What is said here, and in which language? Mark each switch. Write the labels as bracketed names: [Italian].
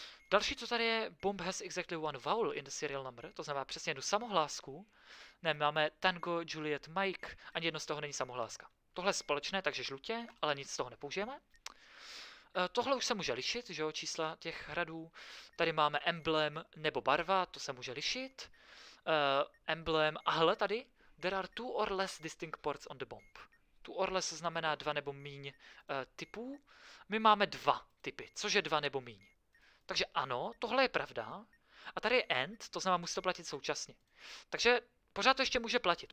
[Czech] Další, co tady je, [English] bomb has exactly one vowel in the serial number, [Czech] to znamená přesně jednu samohlásku. Ne, máme Tango, Juliet, Mike, ani jedno z toho není samohláska. Tohle je společné, takže žlutě, ale nic z toho nepoužijeme. Tohle už se může lišit, že jo, čísla těch hradů. Tady máme emblem nebo barva, to se může lišit. [English] Emblem, [Czech] a hle tady, [English] there are two or less distinct ports on the bomb. [Czech] Tu orle se znamená dva nebo míň typů. My máme dva typy, což je dva nebo míň. Takže ano, tohle je pravda. A tady je end, to znamená, musí to platit současně. Takže pořád to ještě může platit.